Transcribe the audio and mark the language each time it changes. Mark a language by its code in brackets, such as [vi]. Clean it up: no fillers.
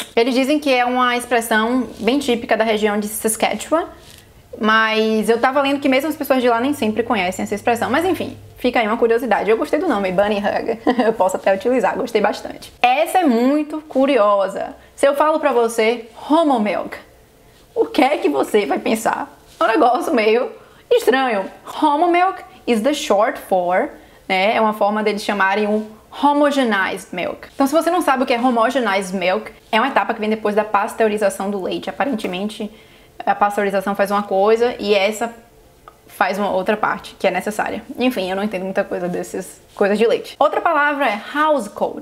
[pt] Eles dizem que é uma expressão bem típica da região de Saskatchewan, mas eu tava lendo que mesmo as pessoas de lá nem sempre conhecem essa expressão. Mas enfim, fica aí uma curiosidade. Eu gostei do nome, Bunny Hug. Eu posso até utilizar, gostei bastante. Essa é muito curiosa. Se eu falo pra você, Homo Milk, o que é que você vai pensar? Um negócio meio estranho. [en] Homo Milk is the short for, né? [pt] É uma forma deles chamarem um homogenized milk. Então, se você não sabe o que é homogenized milk, é uma etapa que vem depois da pasteurização do leite. Aparentemente, a pasteurização faz uma coisa e essa faz uma outra parte que é necessária. Enfim, eu não entendo muita coisa dessas coisas de leite. Outra palavra é household.